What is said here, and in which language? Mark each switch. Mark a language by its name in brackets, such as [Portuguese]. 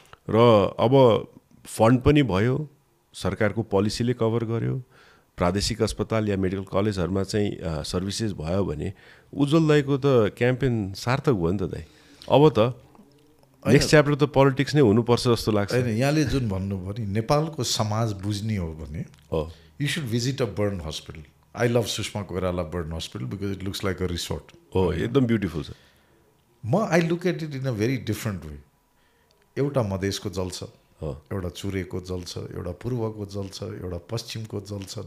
[Nepali] र अब फन्ड पनि भयो, सरकारको पोलिसीले कभर गर्यो, प्रादेशिक अस्पताल या मेडिकल कलेजहरूमा चाहिँ सर्भिसेस भयो भने उज्ज्वल दाईको त क्याम्पेन सार्थक भयो नि त दाई. अब त नेक्स्ट च्याप्टर त पोलिटिक्स नै हुनुपर्छ जस्तो लाग्छ. होइन, यहाँले जुन भन्नुभयो नि नेपालको समाज बुझ्ने हो भने [English] You should visit a burn hospital. I love Sushma Koirala burn hospital because it looks like a resort. [Nepali] हो, एकदम ब्युटिफुल छ. [English] म I look at it in a very different way. [Nepali] एउटा मधेसको जल छ, एउटा चुरेको जल छ, एउटा पूर्वको जल छ, एउटा पश्चिमको जल छ.